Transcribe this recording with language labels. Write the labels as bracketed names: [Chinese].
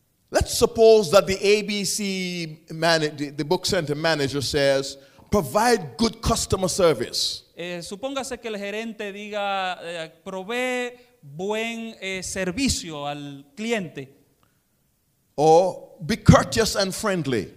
[English] Let's suppose that the ABC the book center manager says, provide good customer service. [Spanish] Supóngase que el gerente diga, provee buen servicio al cliente. [English] Or be courteous and friendly.